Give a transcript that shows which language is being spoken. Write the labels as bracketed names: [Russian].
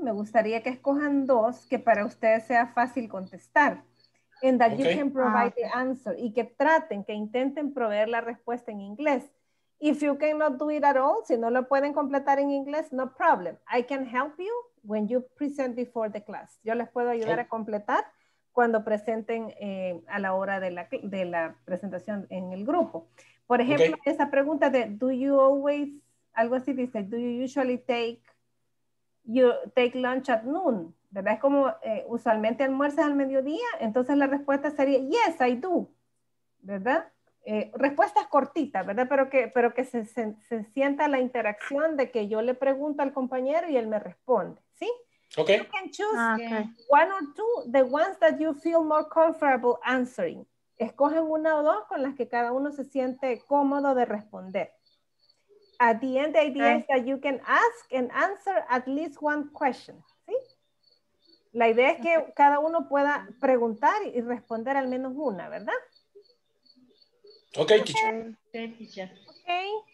[Spanish] Me gustaría que escojan dos que para ustedes sea fácil contestar. [English] And that okay. you can provide the answer. [Spanish] Y que traten, que intenten proveer la respuesta en inglés. [English] If you cannot do it at all, [Spanish] si no lo pueden completar en inglés, [English] no problem. I can help you when you present before the class. [Spanish] Yo les puedo ayudar a completar cuando presenten a la hora de la presentación en el grupo. Por ejemplo, esa pregunta de, [English] do you always, [Spanish] algo así dice, [English] do you usually take lunch at noon? ¿Verdad? [Spanish] Es como usualmente almuerzas al mediodía. Entonces la respuesta sería, [English] yes, I do. [Spanish] ¿Verdad? Respuestas cortitas, ¿verdad? Pero que se sienta la interacción de que yo le pregunto al compañero y él me responde, ¿sí? [English] Okay. You can choose one or two, the ones that you feel more comfortable answering. [Spanish] Escogen una o dos con las que cada uno se siente cómodo de responder. [English] At the end, the idea is that you can ask and answer at least one question, ¿sí? [Spanish] La idea es que cada uno pueda preguntar y responder al menos una, ¿verdad? [English] Okay, teacher. Okay.